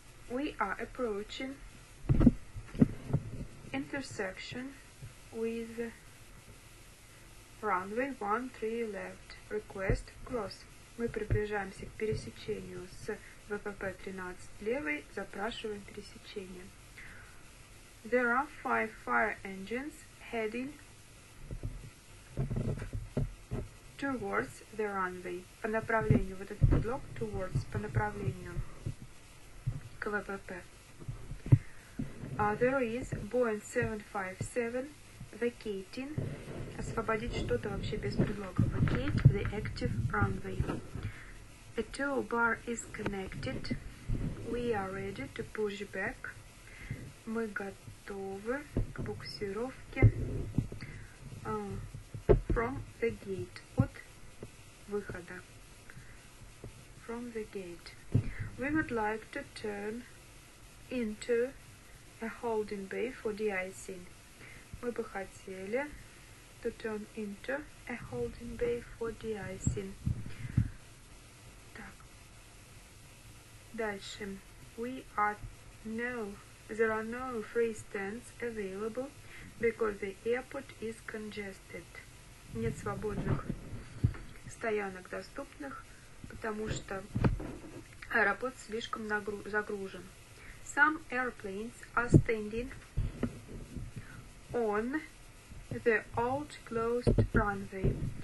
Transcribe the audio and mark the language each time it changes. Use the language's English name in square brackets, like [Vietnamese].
[English] We are approaching intersection with runway 13 left. Request cross. [Russian] Мы приближаемся к пересечению с ВПП 13 левой. Запрашиваем пересечение. [English] There are 5 fire engines heading towards the runway. [Russian] По направлению, вот этот предлог towards, по направлению к ВПП. [English] There is Boeing 757 vacating. [Russian] Освободить что-то вообще без предлога. [English] Vacate the active runway. A tow bar is connected. We are ready to push back. [Russian] Мы готовы к буксировке. [English] From the gate. [Russian] От выхода. [English] From the gate. We would like to turn into a holding bay for de-icing. [Russian] Мы бы хотели [English] to turn into a holding bay for de-icing. [Russian] Так. Дальше. [English] There are no free stands available because the airport is congested. [Russian] Нет свободных стоянок доступных, потому что аэропорт слишком загружен. [English] Some airplanes are standing on the old closed runway.